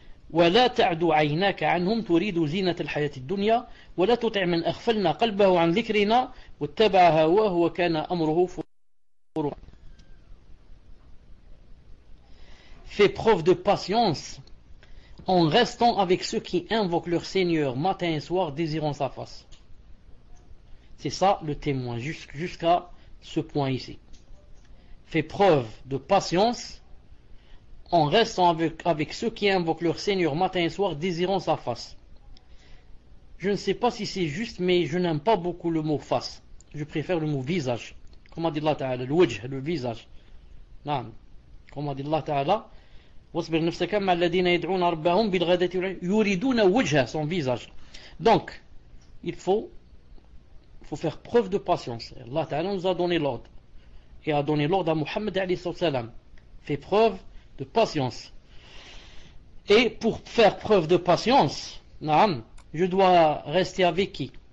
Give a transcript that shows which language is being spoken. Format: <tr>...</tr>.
<ar>ولا تعد عيناك عنهم تريد زينة الحياة الدنيا ولا تطع من أغفلنا قلبه عن ذكرنا واتبع هواه وكان أمره فرطا.</ar> <fr>Fais preuve de patience en restant avec ceux qui invoquent leur Seigneur matin et soir désirant sa face. C'est ça le témoin jusqu'à ce point ici. Fais preuve de patience en restant avec ceux qui invoquent leur Seigneur matin et soir, désirant sa face. Je ne sais pas si c'est juste, mais je n'aime pas beaucoup le mot face. Je préfère le mot visage. Comme a dit Allah Ta'ala, le wajh, le visage. Non. Comme a dit Allah Ta'ala,</fr> <ar>وَصْبِرْ نَفْسَكَ مَا الَّذِينَ يَدْعُونَ رَبَّهُمْ بِالْغَدَةِ يُرِيدُونَ وَجْهَ</ar> <fr>son visage. Donc, il faut faire preuve de patience. Allah Ta'ala nous a donné l'ordre. Et a donné l'ordre à Muhammad alayhi sallam. Fais preuve de patience. Et pour faire preuve de patience, naam, je dois rester avec qui?</fr>